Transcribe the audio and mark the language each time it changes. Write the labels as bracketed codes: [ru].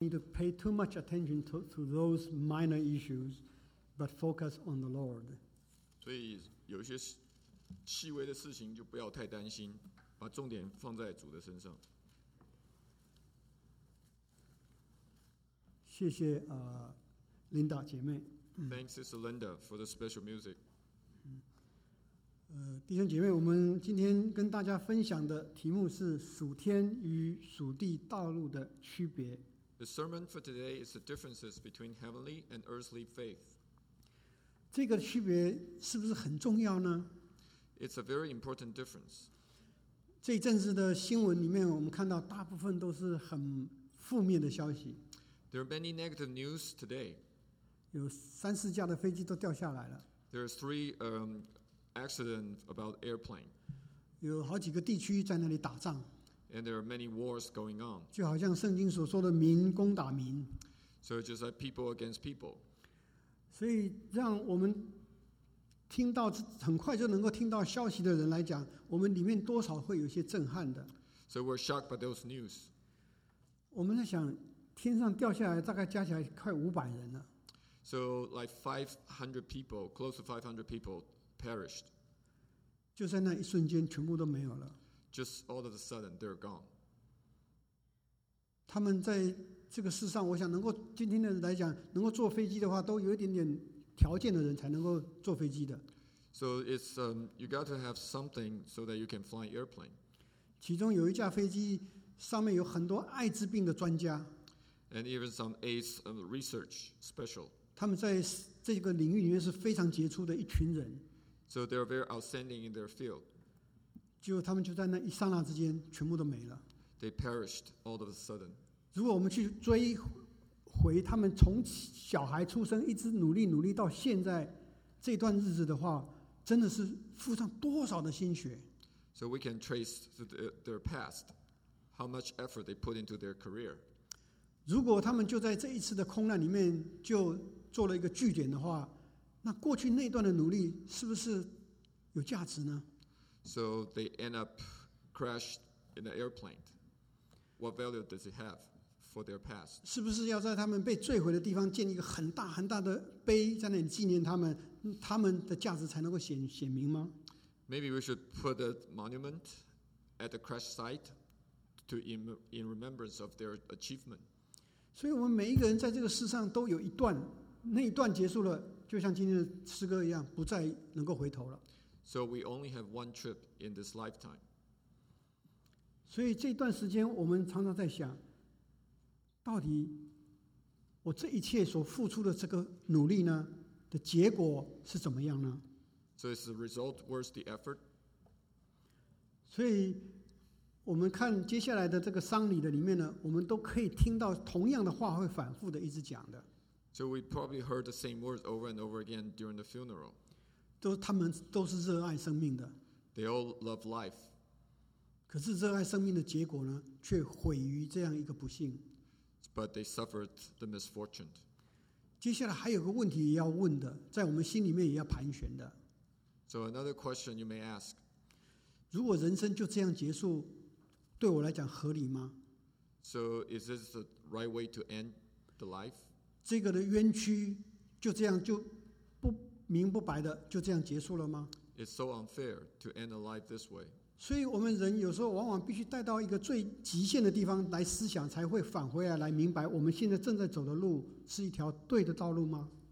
[en] need to pay too much attention to those minor issues, but focus on the Lord. [zh] 所以有些细微的事情就不要太担心，把重点放在主的身上。谢谢Linda 姐妹。 [en] Thanks, Sister Linda, for the special music. [zh] 弟兄姐妹，我们今天跟大家分享的题目是属天与属地道路的区别。 [en] The sermon for today is the differences between heavenly and earthly faith. [zh] 这个区别是不是很重要呢？ [en] It's a very important difference. [zh] 这一阵子的新闻里面，我们看到大部分都是很负面的消息。 [en] There are many negative news today. [zh] 有三四架的飞机都掉下来了。 [en] There are three accidents about airplane. [zh] 有好几个地区在那里打仗。 [en] And there are many wars going on. [zh] 就好像圣经所说的民攻打民。 [en] So it's just like people against people. [zh] 所以让我们听到很快就能够听到消息的人来讲，我们里面多少会有些震撼的。 [en] So we're shocked by those news. [zh] 我们在想天上掉下来大概加起来快500人了。 [en] So like 500 people, close to 500 people perished. [zh] 就在那一瞬间全部都没有了。 [en] Just all of a sudden, they're gone. [zh] 他们在这个世上，我想能够今天的人来讲，能够坐飞机的话，都有一点点条件的人才能够坐飞机的。 [en] So it's you got to have something so that you can fly airplane. [zh] 其中有一架飞机上面有很多艾滋病的专家。 [en] And even some AIDS research special. [zh] 他们在这个领域里面是非常杰出的一群人。 [en] So they're very outstanding in their field. [zh] 就他们就在那一刹那之间全部都没了。 [en] They perished all of a sudden. [zh] 如果我们去追回他们从小孩出生一直努力到现在这段日子的话，真的是付上多少的心血。 [en] So we can trace their past, how much effort they put into their career. [zh] 如果他们就在这一次的空难里面就做了一个据点的话，那过去那段的努力是不是有价值呢？ [en] So they end up crashed in an airplane. What value does it have for their past? [zh] 是不是要在他们被坠毁的地方建一个很大很大的碑，在那里纪念他们，他们的价值才能够显明吗？ [en] Maybe we should put a monument at the crash site to in remembrance of their achievement. [zh] 所以我们每一个人在这个世上都有一段，那一段结束了，就像今天的诗歌一样，不再能够回头了。 [en] So we only have one trip in this lifetime. [zh] 所以这段时间我们常常在想，到底我这一切所付出的这个努力呢，的结果是怎么样呢？ [en] So is the result worth the effort? [zh] 所以我们看接下来的这个丧礼的里面呢，我们都可以听到同样的话会反复的一直讲的。 [en] So we probably heard the same words over and over again during the funeral. [zh] 都他们都是热爱生命的。 [en] They all love life. [zh] 可是热爱生命的结果呢，却毁于这样一个不幸。 [en] But they suffered the misfortune. [zh] 接下来还有个问题也要问的，在我们心里面也要盘旋的。 [en] So another question you may ask. [zh] 如果人生就这样结束，对我来讲合理吗？ [en] So is this the right way to end the life? [zh] 这个的冤屈就这样就明不白的就这样结束了吗？ [en] It's so unfair to end a life this way. [zh] 所以我们人有时候往往必须带到一个最极限的地方来思想，才会返回来来明白我们现在正在走的路是一条对的道路吗？